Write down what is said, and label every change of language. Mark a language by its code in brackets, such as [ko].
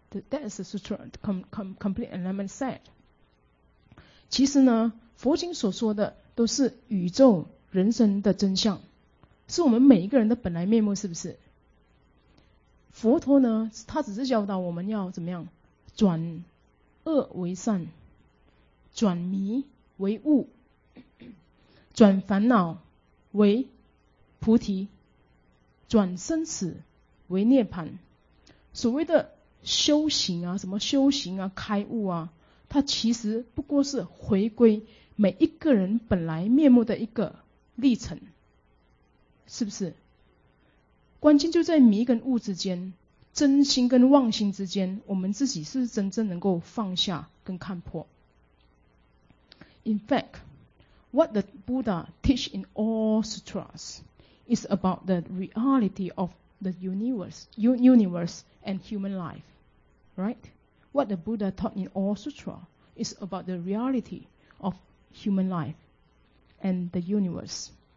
[en] That is the Sutra of Complete Enlightenment said. [zh] 其实呢，佛经所说的都是宇宙人生的真相，是我们每一个人的本来面目，是不是？佛陀呢，他只是教导我们要怎么样，转恶为善。转迷为悟，转烦恼为菩提，转生死为涅槃。所谓的修行啊，什么修行啊，开悟啊，它其实不过是回归每一个人本来面目的一个历程，是不是？关键就在迷跟悟之间，真心跟妄心之间，我们自己是真正能够放下跟看破。 [en] In fact, what the Buddha teach in all sutras is about the reality of the universe and human life, right? What the Buddha taught in all sutras is about the reality of human life and the universe.